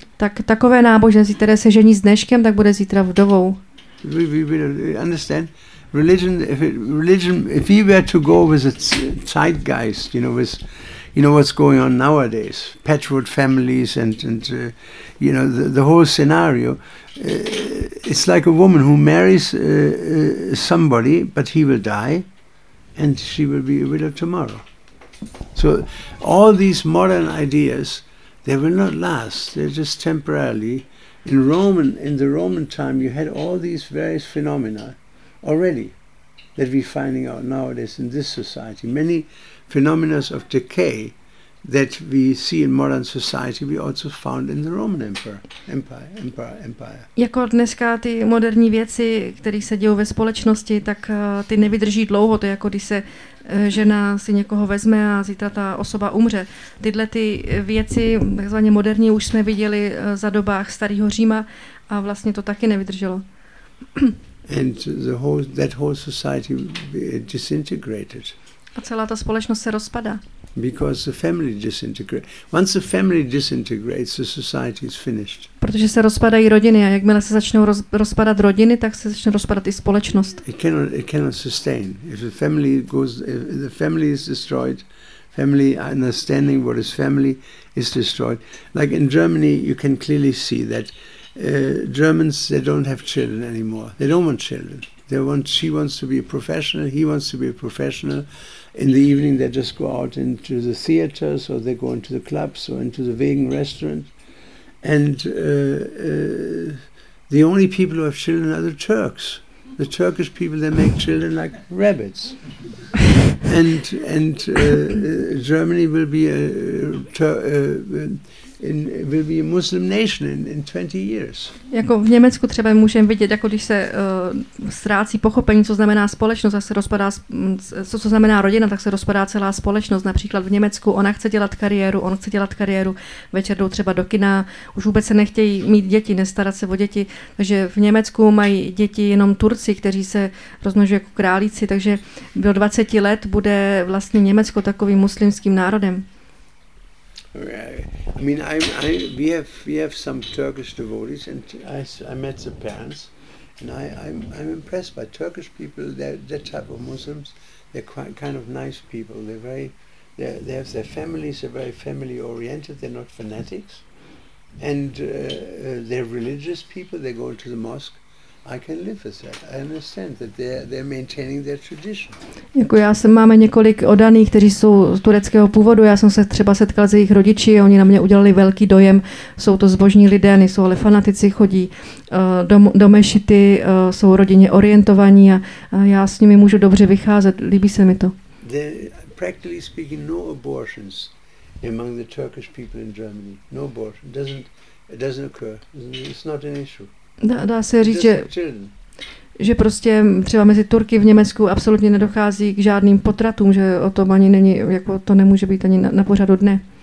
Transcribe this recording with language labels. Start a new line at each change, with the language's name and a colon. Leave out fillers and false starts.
Czech: Tak takové náboženství, které se žení s dneškem, tak bude zítra vdovou.
English: It will be a widow, understand? Religion, if we were to go with a zeitgeist, you know what's going on nowadays, patchwork families and the whole scenario, it's like a woman who marries somebody, but he will die, and she will be a widow tomorrow. So all these modern ideas, they will not last, they're just temporarily. In the Roman time, you had all these various phenomena already that we're finding out nowadays in this society. Many phenomena of decay that we see in modern society we also found in the Roman empire.
Czech: Jako dneska ty moderní věci, které se dějou ve společnosti, tak ty nevydrží dlouho, to je jako když se žena si někoho vezme a zítra ta osoba umře. Tyhle ty věci, takzvaně moderní, už jsme viděli za dobách starého Říma a vlastně to taky nevydrželo.
English: And that whole society disintegrated.
Czech: A celá ta společnost se rozpadá.
English: Because the family disintegrates. Once the family disintegrates, the society is finished.
Czech: Protože se rozpadají rodiny a jakmile se začnou rozpadat rodiny, tak se začne rozpadat i společnost.
English: It cannot sustain. If the family is destroyed, family understanding what is family is destroyed. Like in Germany, you can clearly see that Germans, they don't have children anymore. They don't want children. She wants to be a professional, he wants to be a professional. In the evening they just go out into the theaters or they go into the clubs or into the vegan restaurant. And the only people who have children are the Turks. The Turkish people, they make children like rabbits. Germany will be a Muslim nation in 20 years.
Czech: Jako v Německu třeba můžeme vidět, jako když se ztrácí pochopení, co znamená společnost, a se rozpadá, co znamená rodina, tak se rozpadá celá společnost. Například v Německu ona chce dělat kariéru, on chce dělat kariéru, večer jdou třeba do kina, už vůbec se nechtějí mít děti, nestarat se o děti. Takže v Německu mají děti jenom Turci, kteří se rozmnožují jako králíci, takže do 20 let bude vlastně Německo takovým muslimským národem.
English: I mean, we have some Turkish devotees, and I met the parents, and I'm impressed by Turkish people. They're type of Muslims. They're quite kind of nice people. They have their families. They're very family oriented. They're not fanatics, and they're religious people. They go to the mosque. I can live with that. I understand that they're maintaining their tradition.
Czech: Jako já jsem, máme několik oddaných, kteří jsou z tureckého původu. Já jsem se třeba setkal s jejich rodiči, oni na mě udělali velký dojem. Jsou to zbožní lidé, nejsou ale fanatici, chodí do mešity, jsou rodině orientovaní a já s nimi můžu dobře vycházet. Líbí se mi to.
English: Practically speaking, no abortions among the Turkish people in Germany. No abortion. It doesn't occur. It's not an issue.
Czech: Dá se říct, že prostě třeba mezi Turky v Německu absolutně nedochází k žádným potratům, že o tom ani není, jako to nemůže být ani na pořadu dne.